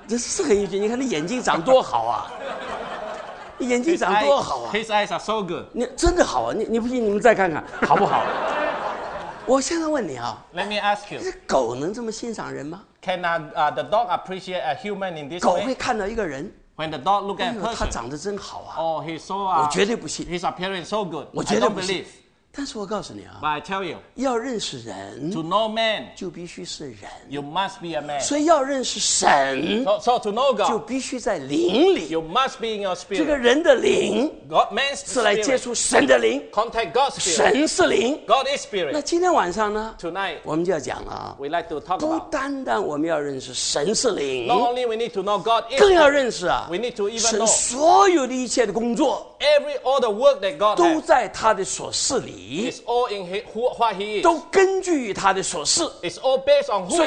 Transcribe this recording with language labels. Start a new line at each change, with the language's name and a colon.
Chinese: 这是很英俊，你看他眼睛长多好啊。眼睛长多好啊。
English: His eyes are so good.
Chinese: 你真的好啊，你不信你们再看看好不好？我现在问你啊。
English: Let me ask you.
Chinese: 这狗能这么欣赏人吗？
English: Can the dog appreciate a human in this way?
Chinese: 狗会看到一个人。
English: When the dog look at a person,
Chinese: 他长得真好啊。
English: Oh, he's so.
Chinese: 我绝对不信。
English: His appearance so good.
Chinese: 我绝对不信。
English: I don't believe.
Chinese: 但是我告诉你啊。
English: But I tell you.
Chinese: 要认识人。
English: To know man.
Chinese: 就必须是人。
English: You must be a man.
Chinese: 所以要认识神。
English: So to know God.
Chinese: 就必须在灵里。
English: You must be in your spirit.
Chinese: 这个人的灵。
English: God man's spirit.
Chinese: 是来接触神的灵。
English: Contact God's spirit.
Chinese: 神是灵。
English: God is spirit.
Chinese: 那今天晚上呢？
English: Tonight.
Chinese: 我们就要讲了啊。
English: We like to talk about.
Chinese: 不单单我们要认识神是灵。
English: Not only we need to know God is spirit.
Chinese: 更要认识啊。
English: We need to even know.
Chinese: 神所有的一切的工作。
English: Every all the work that God has.
Chinese: 都在他的所事里。
English: It's all in who what he is.
Chinese: 都根据于他的所事。
English: It's all based on who he is.